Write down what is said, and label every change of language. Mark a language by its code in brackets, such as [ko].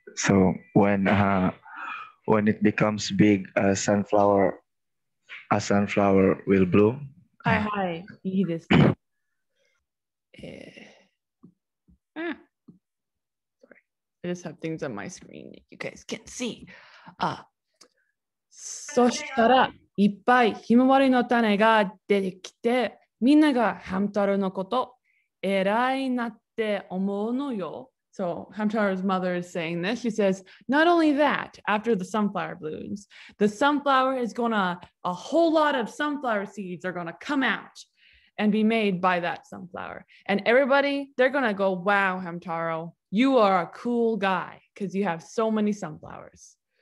[en] So when it becomes big, a sunflower will bloom. [ja] Hi, いいですね。 [en] Sorry. I just have things on my screen that you guys can't see. [ja] そしたらいっぱいひまわりの種が出てきて、みんながハムタロのこと偉いなって思うのよ。 [en] So Hamtaro's mother is saying this. She says, not only that, after the sunflower blooms, the sunflower is gonna, a whole lot of sunflower seeds are gonna come out. And be made by that sunflower. And everybody, they're gonna go, wow, Hamtaro, you are a cool guy because you have so many sunflowers.